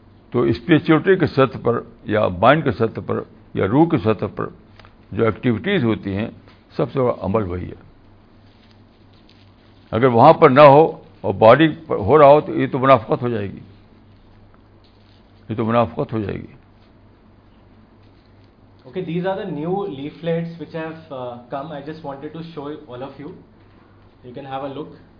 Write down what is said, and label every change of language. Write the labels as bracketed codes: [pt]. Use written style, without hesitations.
[ur] تو اسپریچولیٹی کے سطح پر یا مائنڈ کے سطح پر یا روح کے سطح پر جو ایکٹیویٹیز ہوتی ہیں, سب سے بڑا عمل وہی ہے. اگر وہاں پر نہ ہو اور باڈی پر ہو رہا ہو تو یہ تو منافقت ہو جائے گی, یہ تو منافقت ہو جائے گی. [en] Okay, these are the new leaflets which have come. I just wanted to show all of you, you can have a look.